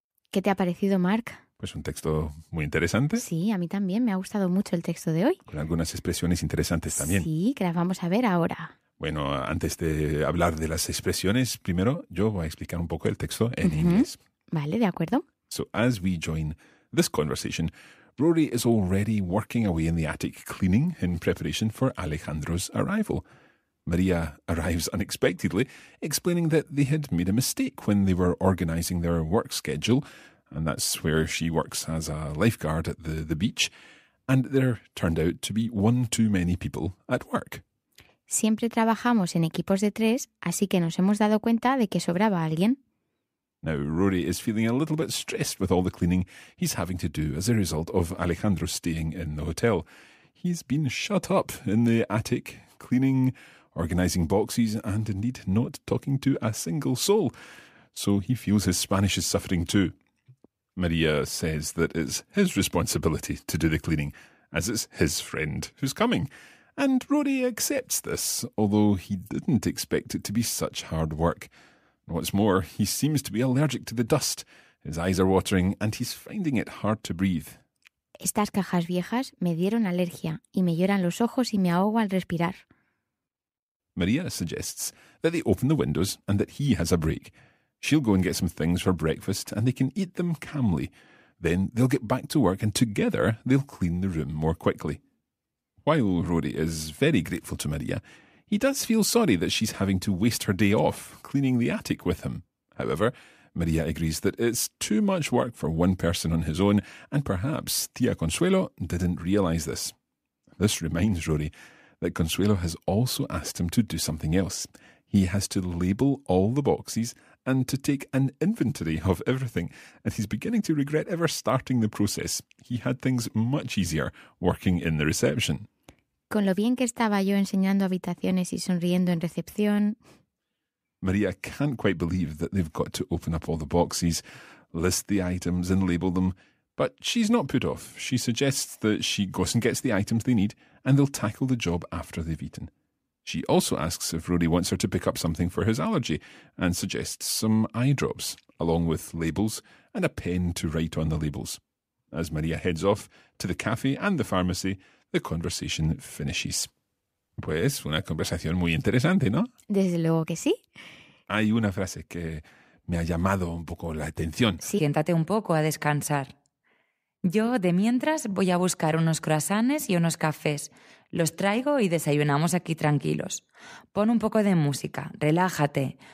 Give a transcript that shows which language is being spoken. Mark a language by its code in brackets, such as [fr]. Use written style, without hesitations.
[es] ¿Qué te ha parecido, Mark? Pues un texto muy interesante. Sí, a mí también. Me ha gustado mucho el texto de hoy. Con algunas expresiones interesantes también. Sí, que las vamos a ver ahora. Bueno, antes de hablar de las expresiones, primero yo voy a explicar un poco el texto en inglés. Vale, de acuerdo. [en] So as we join this conversation, Rory is already working away in the attic cleaning in preparation for Alejandro's arrival. Maria arrives unexpectedly, explaining that they had made a mistake when they were organizing their work schedule. And that's where she works as a lifeguard at the beach. And there turned out to be one too many people at work. [es] Siempre trabajamos en equipos de tres, así que nos hemos dado cuenta de que sobraba alguien. [en] Now, Rory is feeling a little bit stressed with all the cleaning he's having to do as a result of Alejandro staying in the hotel. He's been shut up in the attic, cleaning, organizing boxes, and indeed not talking to a single soul. So he feels his Spanish is suffering too. Maria says that it's his responsibility to do the cleaning, as it's his friend who's coming. And Rory accepts this, although he didn't expect it to be such hard work. What's more, he seems to be allergic to the dust. His eyes are watering and he's finding it hard to breathe. [es] Estas cajas viejas me dieron alergia y me lloran los ojos y me ahogo al respirar. [en] Maria suggests that they open the windows and that he has a break. She'll go and get some things for breakfast and they can eat them calmly. Then they'll get back to work and together they'll clean the room more quickly. While Rory is very grateful to Maria, he does feel sorry that she's having to waste her day off cleaning the attic with him. However, Maria agrees that it's too much work for one person on his own, and perhaps Tia Consuelo didn't realise this. This reminds Rory that Consuelo has also asked him to do something else. He has to label all the boxes and to take an inventory of everything, and he's beginning to regret ever starting the process. He had things much easier working in the reception. [es] Con lo bien que estaba yo enseñando habitaciones y sonriendo en recepción... [en] Maria can't quite believe that they've got to open up all the boxes, list the items and label them, but she's not put off. She suggests that she goes and gets the items they need and they'll tackle the job after they've eaten. She also asks if Rory wants her to pick up something for his allergy and suggests some eye drops, along with labels and a pen to write on the labels. As Maria heads off to the cafe and the pharmacy, the conversation finishes. [es] Pues, una conversación muy interesante, ¿no? Desde luego que sí. Hay una frase que me ha llamado un poco la atención. Sí, siéntate un poco a descansar. Yo, de mientras, voy a buscar unos croissants y unos cafés. Los traigo y desayunamos aquí tranquilos. Pon un poco de música, relájate.